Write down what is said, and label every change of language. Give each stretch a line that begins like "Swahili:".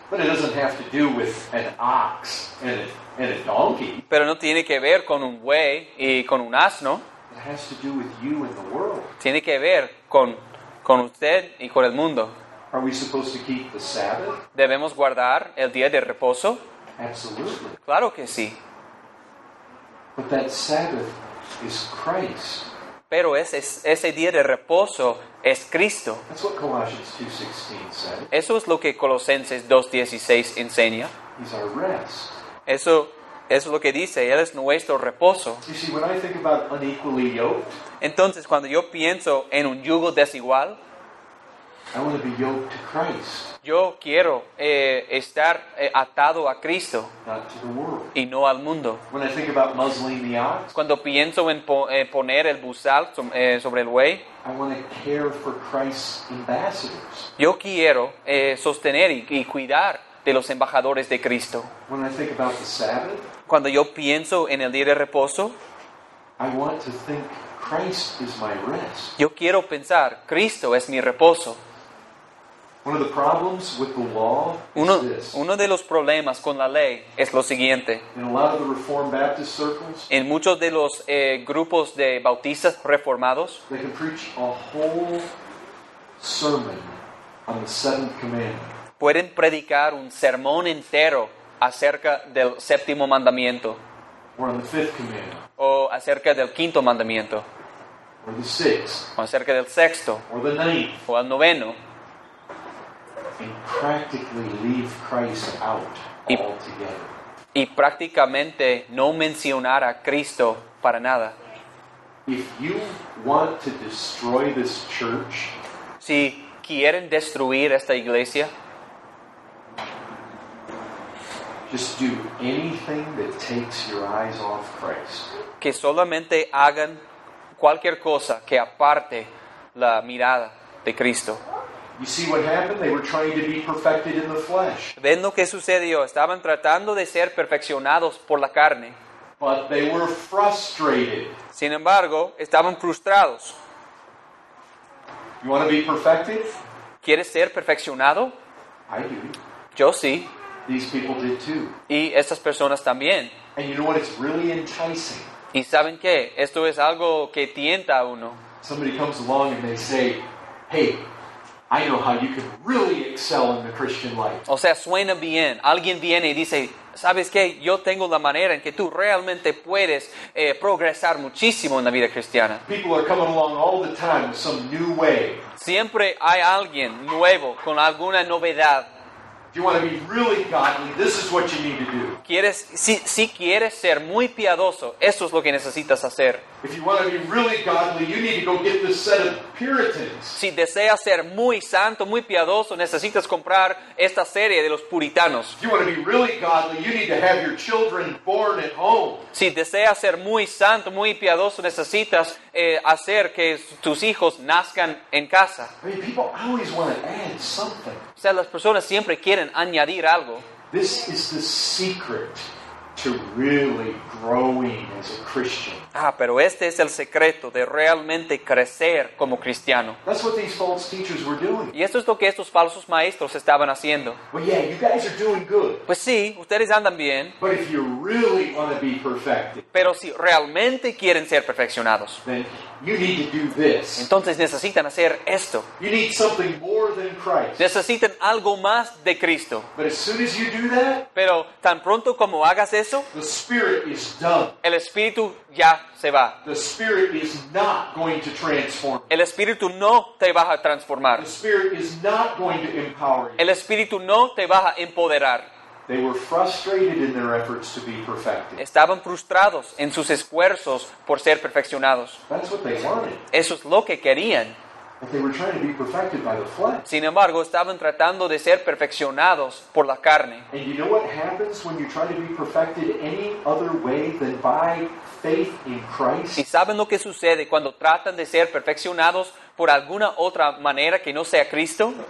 English: But it doesn't have to do with an ox and a donkey.
Spanish: Pero no tiene que ver con un buey y con un asno.
English: It has to do with you and the world.
Spanish: Tiene que ver con usted y con el mundo.
English: Are we supposed to keep the Sabbath?
Spanish: ¿Debemos guardar el día de reposo?
English: Absolutely.
Spanish: Claro que sí.
English: But that Sabbath is Christ.
Spanish: Pero ese día de reposo es Cristo.
English: That's what Colossians 2:16 says.
Spanish: Eso es lo que Colosenses 2:16 enseña.
English: He's our rest.
Spanish: Eso es lo que dice. Él es nuestro reposo.
English: You see, when I think about unequally yoked,
Spanish: entonces, cuando yo pienso en un yugo desigual,
English: I want to be yoked to Christ.
Spanish: Yo quiero estar atado a Cristo.
English: Not to the world.
Spanish: Y no al mundo.
English: When I think about muzzling the ox,
Spanish: cuando pienso en poner el buzal sobre el buey,
English: I want to care for Christ's ambassadors.
Spanish: Yo quiero sostener y cuidar de los embajadores de Cristo.
English: When I think about the Sabbath,
Spanish: cuando yo pienso en el día de reposo,
English: I want to think Christ is my rest.
Spanish: Yo quiero pensar, Cristo es mi reposo.
English: One of the problems with the law
Spanish: uno de los problemas con la ley es lo siguiente.
English: In a lot of the Reformed Baptist circles,
Spanish: en muchos de los grupos de bautistas reformados,
English: they can preach a whole sermon on the seventh commandment.
Spanish: Pueden predicar un sermón entero acerca del séptimo mandamiento.
English: Or on the fifth commandment.
Spanish: O acerca del quinto mandamiento.
English: Or the sixth.
Spanish: O acerca del sexto.
English: Or the ninth.
Spanish: O al noveno.
English: And practically leave Christ out altogether.
Spanish: Y prácticamente no mencionar a Cristo para nada.
English: If you want to destroy this church,
Spanish: si quieren destruir esta iglesia,
English: just do anything that takes your eyes off Christ.
Spanish: Que solamente hagan cualquier cosa que aparte la mirada de Cristo.
English: You see what happened? They were trying to be perfected in the flesh.
Spanish: ¿Ven lo que sucedió? Estaban tratando de ser perfeccionados por la carne.
English: But they were frustrated.
Spanish: Sin embargo, estaban frustrados.
English: You want to be perfected?
Spanish: ¿Quieres ser perfeccionado?
English: I do.
Spanish: Yo sí.
English: These people did too.
Spanish: Y estas personas también.
English: And you know what? It's really enticing.
Spanish: ¿Y saben qué? Esto es algo que tienta a uno.
English: Somebody comes along and they say, hey, I know how you can really excel in the Christian life.
Spanish: O sea, suena bien. Alguien viene y dice, ¿sabes qué? Yo tengo la manera en que tú realmente puedes progresar muchísimo en la vida cristiana.
English: People are coming along all the time with some new way.
Spanish: Siempre hay alguien nuevo con alguna novedad.
English: If you want to be really godly, this is what you need to do.
Spanish: Quieres, si quieres ser muy piadoso, eso es lo que necesitas hacer.
English: If you want to be really godly, you need to go get this set of Puritans.
Spanish: Si deseas ser muy santo, muy piadoso, necesitas comprar esta serie de los puritanos.
English: If you want to be really godly, you need to have your children born at home.
Spanish: Si deseas ser muy santo, muy piadoso, necesitas hacer que tus hijos nazcan en casa.
English: I mean, people always want to add something.
Spanish: O sea, las personas siempre quieren añadir algo.
English: This is the secret to really growing as a Christian.
Spanish: Ah, pero este es el secreto de realmente crecer como cristiano.
English: That's what these false teachers were doing.
Spanish: Y esto es lo que estos falsos maestros estaban haciendo.
English: Well, yeah, you guys are doing good.
Spanish: Pues sí, ustedes andan bien.
English: But if you really want to be perfected,
Spanish: pero si realmente quieren ser perfeccionados,
English: then you need to do this.
Spanish: Entonces necesitan hacer esto.
English: You need something more than Christ.
Spanish: Necesitan algo más de Cristo.
English: But as soon as you do that,
Spanish: pero tan pronto como hagas eso,
English: the Spirit is done.
Spanish: El Espíritu ya se va.
English: The Spirit is not going to transform.
Spanish: El Espíritu no te va a transformar.
English: The Spirit is not going to empower you.
Spanish: El Espíritu no te va a empoderar.
English: They were frustrated in their efforts to be perfected.
Spanish: Estaban frustrados en sus esfuerzos por ser perfeccionados.
English: That's what they wanted.
Spanish: Eso es lo que querían.
English: But they were trying to be perfected by the flesh.
Spanish: Sin embargo, estaban tratando de ser perfeccionados por la carne.
English: And you know what happens when you try to be perfected any other way than by faith in Christ?
Spanish: ¿Y saben lo que sucede cuando tratan de ser perfeccionados por alguna otra manera que no sea Cristo?